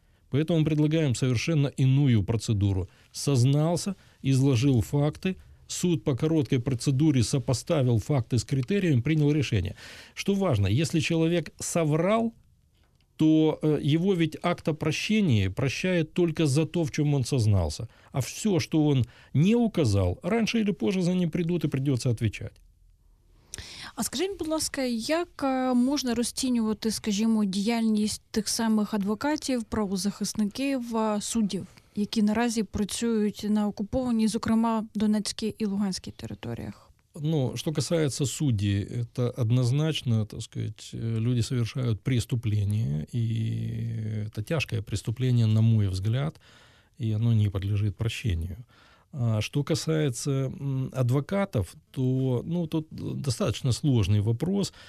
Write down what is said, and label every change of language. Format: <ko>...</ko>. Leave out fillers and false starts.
<ru>Поэтому предлагаем совершенно иную процедуру. Сознался, изложил факты, суд по короткой процедуре сопоставил факты с критериями, принял решение. Что важно, если человек соврал, то его ведь акт о прощении прощает только за то, в чем он сознался. А все, что он не указал, раньше или позже за ним придут и придется отвечать.</ru> <uk>А скажіть, будь ласка, як можна розцінювати, скажімо, діяльність тих самих адвокатів, правозахисників, суддів, які наразі працюють на окупованій, зокрема, Донецькій і Луганській територіях?</uk> <ru>Ну, что касается судей, это однозначно, так сказать, люди совершают преступление, и это тяжкое преступление, на мой взгляд, и оно не подлежит прощению. А что касается адвокатов, то, ну, тут достаточно сложный вопрос.</ru>